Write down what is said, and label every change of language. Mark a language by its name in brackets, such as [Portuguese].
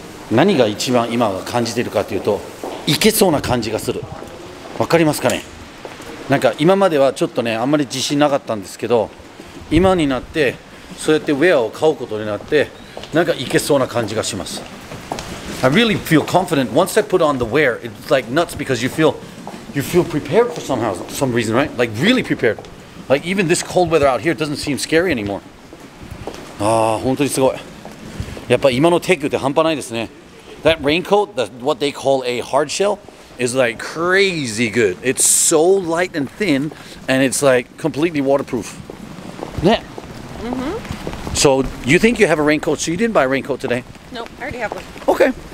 [Japanese] 何が一番今感じているかというと、行けそうな感じがする。わかりますかね？なんか今まではちょっとねあんまり自信なかったんですけど、今になってそうやってウェアを買うことになって、なんかいけそうな感じがします。 [English] I really feel confident once I put on the wear. It's like nuts because you feel prepared for somehow some reason, right? Like really prepared. Like even this cold weather out here doesn't seem scary anymore. [Japanese] ああ本当にすごい。やっぱ今のテクって半端ないですね。 [English] That raincoat, what they call a hard shellIs like crazy good. It's so light and thin, and it's like completely waterproof. Yeah. Mm-hmm. So you think you have a raincoat? So you didn't buy a raincoat today? No, I already have one. Okay.